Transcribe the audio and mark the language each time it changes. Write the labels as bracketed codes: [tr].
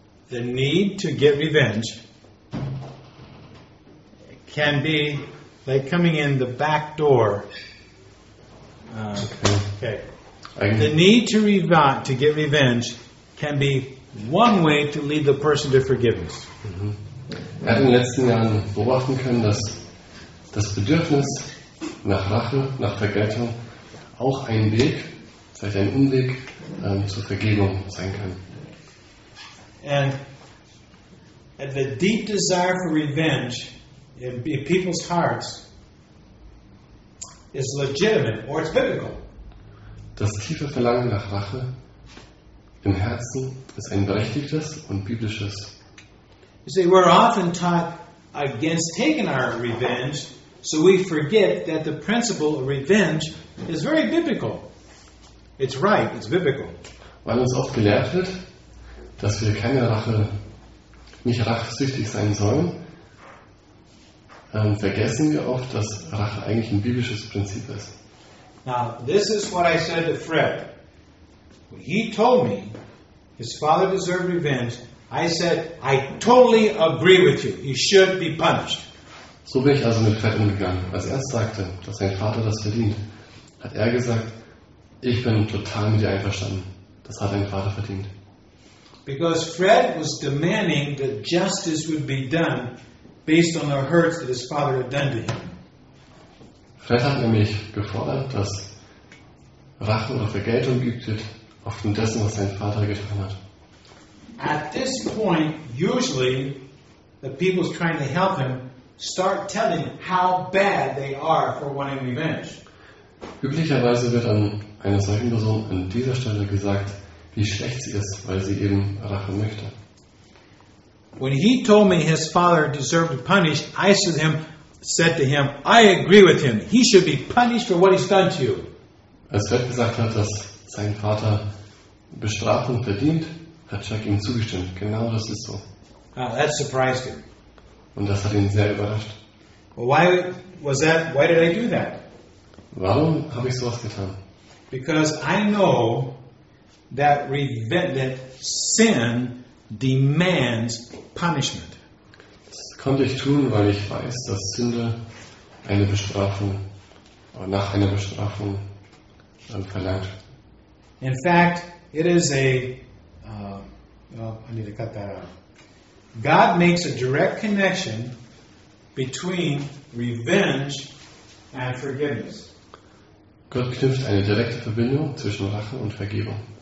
[en] The need to get revenge can be like coming in the back door. The need to get revenge can be one way to lead the person to forgiveness. Mm-hmm. [de] Er hat in den letzten Jahren beobachten können, dass das Bedürfnis nach Rache, nach Vergeltung auch ein Weg, vielleicht ein Umweg zur Vergebung sein kann. [en] And the deep desire for revenge in people's hearts is legitimate or it's biblical. [de] Das tiefe Verlangen nach Rache im Herzen ist ein berechtigtes und biblisches. [en] You see, we're often taught against taking our revenge, so we forget that the principle of revenge is very biblical. It's right, it's biblical. [de] Weil uns oft gelehrt wird, dass wir keine Rache, nicht rachsüchtig sein sollen, vergessen wir oft, dass Rache eigentlich ein biblisches Prinzip ist. [en] Now, this is what I said to Fred. He told me his father deserved revenge. I said, I totally agree with you. He should be punished. [de] So bin ich also mit Fred umgegangen. Als er sagte, dass sein Vater das verdient, hat er gesagt, ich bin total mit dir einverstanden. Das hat dein Vater verdient. [en] Because Fred was demanding that justice would be done based on the hurts that his father had done to him. [de] Fred hat nämlich gefordert, dass Rache oder Vergeltung geübt wird aufgrund dessen, was sein Vater getan hat. [en] At this point, usually, the people trying to help him start telling how bad they are for wanting revenge. [de] Üblicherweise wird an einer solchen Person an dieser Stelle gesagt, wie schlecht sie ist, weil sie eben Rache möchte. [en] When he told me his father deserved to punish, I said to him, I agree with him. He should be punished for what he's done to you. [de] Als Gott gesagt hat, dass sein Vater Bestrafung verdient, hat Chuck ihm zugestimmt. Genau das ist so. [en] That surprised him. [de] Und das hat ihn sehr überrascht. [en] Well, why was that? Why did I do that? [de] Warum habe ich sowas getan? [en] Because I know that revenge sin demands punishment. [de] Das konnte ich tun, weil ich weiß, dass Sünde eine Bestrafung nach einer Bestrafung verlangt. [en] In fact, it is a I need to cut that out. God makes a direct connection between revenge and forgiveness. [de] Gott knüpft eine direkte Verbindung zwischen Rache und Vergebung.